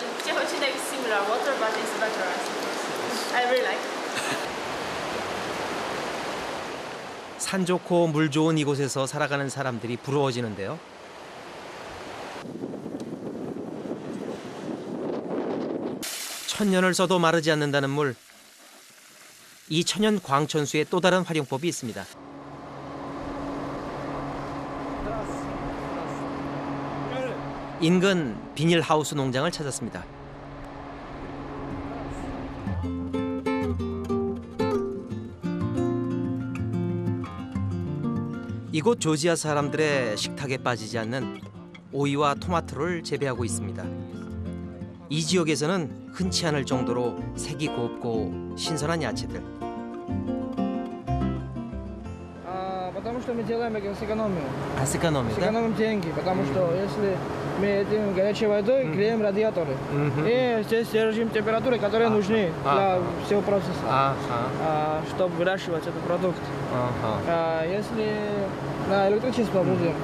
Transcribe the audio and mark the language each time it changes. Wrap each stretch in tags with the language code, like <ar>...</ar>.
<en>It's actually like similar water, but it's better, I suppose. I really like.</en> <ko>산 좋고 물 좋은 이곳에서 살아가는 사람들이 부러워지는데요. 천년을 써도 마르지 않는다는 물. 이 천연 광천수의 또 다른 활용법이 있습니다. 인근 비닐하우스 농장을 찾았습니다. 이곳 조지아 사람들의 식탁에 빠지지 않는 오이와 토마토를 재배하고 있습니다. 이 지역에서는 흔치 않을 정도로 색이 곱고 신선한 야채들.</ko> <ru>아, потому что мы делаем это сэкономим. 아, сэкономим, да? Сэкономим деньги, потому что если мы этим горячей водой греем радиаторы. И здесь держим температуры, которые нужны для всего процесса. Чтобы выращивать этот продукт. Если на электричество будем.</ru>